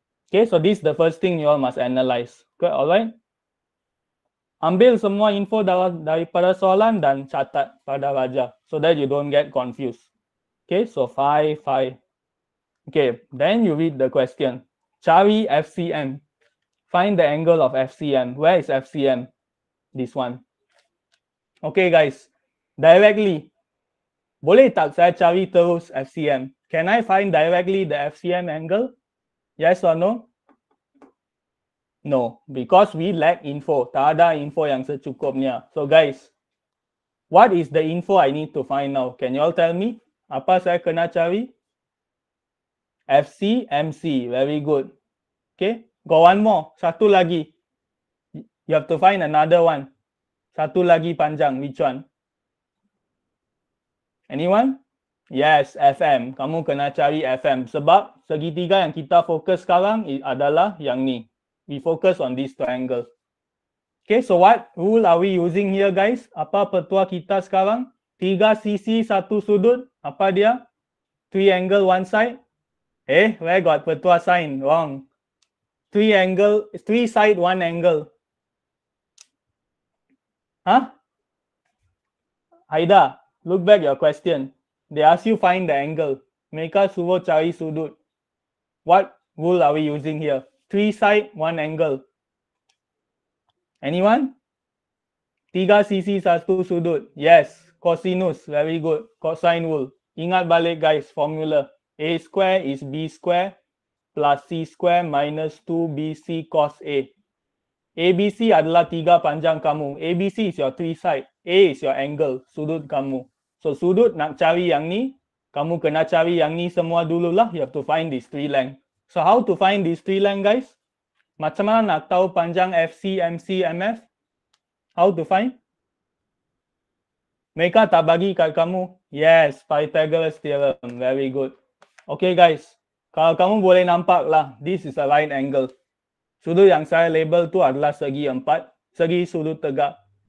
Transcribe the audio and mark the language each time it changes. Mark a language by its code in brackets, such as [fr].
[en] Okay, so this is the first thing you all must analyze. Okay, alright. [ms] Ambil semua info daripada soalan dan catat pada rajah. [en] So that you don't get confused. Okay, so phi, phi. Okay, then you read the question. Cari FCM. Find the angle of FCM. Where is FCM? This one. Okay guys. Directly. [ms] Boleh tak saya cari terus FCM? [en] Can I find directly the FCM angle? Yes or no? No. Because we lack info. [ms] Tak ada info yang secukupnya. [en] So guys. What is the info I need to find now? Can you all tell me? [ms] Apa saya kena cari? [en] FC, MC. Very good. Okay, got one more. Satu lagi. You have to find another one. [ms] Satu lagi panjang. Which one? [en] Anyone? Yes, FM. [ms] Kamu kena cari FM. Sebab segitiga yang kita fokus sekarang adalah yang ni. [en] We focus on this triangle. Okay, so what rule are we using here, guys? [ms] Apa petua kita sekarang? Tiga sisi satu sudut. Apa dia? [en] Three angle one side. Eh, where got petua sine? Wrong. Three angle, three side, one angle. Huh? Haida, look back your question. They ask you find the angle. [ms] Mereka suruh cari sudut. [en] What rule are we using here? Three side, one angle. Anyone? [ms] Tiga sisi satu sudut. Yes, cosinus. [en] Very good. Cosine rule. [ms] Ingat balik [en] guys, formula. A square is B square. Plus C square minus 2BC cos A. [ms] ABC adalah tiga panjang kamu. [en] ABC is your three side. A is your angle, sudut kamu. [ms] So sudut nak cari yang ni, kamu kena cari yang ni semua dululah. [en] You have to find these three length. So how to find these three length, guys? [ms] Macam mana nak tahu panjang FC, MC, MF? [en] How to find? [ms] Mereka tak bagi kat kamu. [en] Yes, Pythagoras theorem. Very good. Okay, guys. [ms] Kalau kamu boleh nampak lah, [en] this is a right angle. [ms] Sudut yang saya label tu adalah segi empat, segi sudut tegak.